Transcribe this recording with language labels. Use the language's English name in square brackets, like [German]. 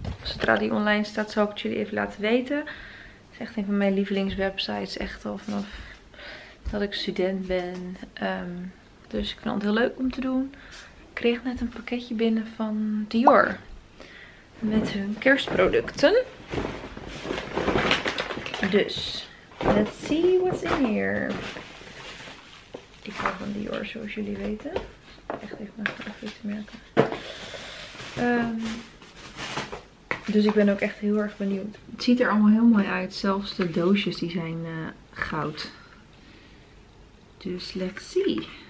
[Dutch] Zodra die online staat, zal ik het jullie even laten weten. Het is echt een van mijn lievelingswebsites. Echt al vanaf dat ik student ben. Dus ik vind het heel leuk om te doen. Ik kreeg net een pakketje binnen van Dior. Met hun kerstproducten. [English] Dus let's see what's in here. [Dutch] Ik hou van Dior, zoals jullie weten. Echt even mijn favoriete merken. Dus ik ben ook echt heel erg benieuwd. Het ziet er allemaal heel mooi uit. Zelfs de doosjes die zijn goud. [English] Dus let's see.